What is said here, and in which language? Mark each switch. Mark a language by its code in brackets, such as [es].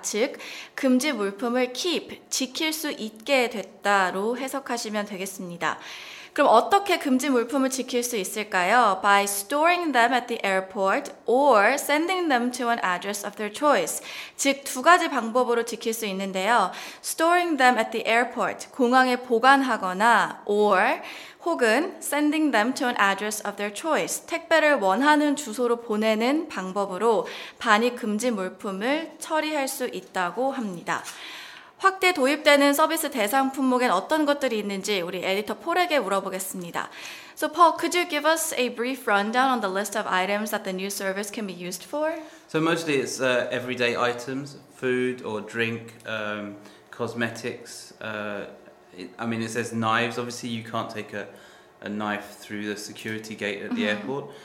[ko] 즉, 금지 물품을 keep, 지킬 수 있게 됐다로 해석하시면 되겠습니다. 그럼 어떻게 금지 물품을 지킬 수 있을까요? [en] By storing them at the airport or sending them to an address of their choice. [ko] 즉, 두 가지 방법으로 지킬 수 있는데요. [en] Storing them at the airport, [ko] 공항에 보관하거나 [en] or [ko] 혹은 [en] sending them to an address of their choice, [ko] 택배를 원하는 주소로 보내는 방법으로 반입 금지 물품을 처리할 수 있다고 합니다. 확대 도입되는 서비스 대상 품목엔 어떤 것들이 있는지 우리 에디터 폴에게 물어보겠습니다. [en] So Paul, could you give us a brief rundown on the list of items that the new service can be used for? So mostly it's everyday items, food or drink, cosmetics. It says knives. Obviously you can't take a knife through the security gate at the airport.